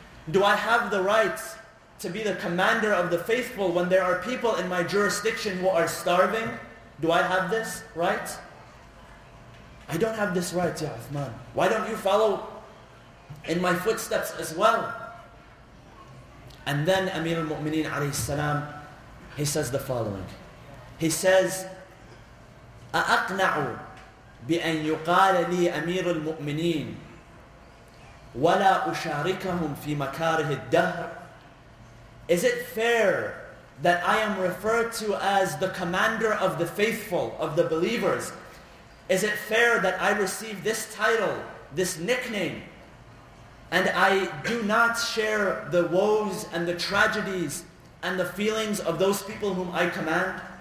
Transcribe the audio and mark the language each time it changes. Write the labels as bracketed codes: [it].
[en] Do I have the right to be the commander of the faithful when there are people in my jurisdiction who are starving? Do I have this right? I don't have this right, Ya Uthman. Why don't you follow in my footsteps as well? And then Amir al-Mu'mineen alayhi salam, he says the following. He says, [ar] أَأَقْنَعُ بِأَنْ يُقَالَ لِي أَمِيرُ الْمُؤْمِنِينَ وَلَا أُشَارِكَهُمْ فِي مَكَارِهِ الدَّهْرِ. [en] Is it fair that I am referred to as the commander of the faithful, of the believers? Is it fair that I receive this title, this nickname, and I do not share the woes and the tragedies and the feelings of those people whom I command?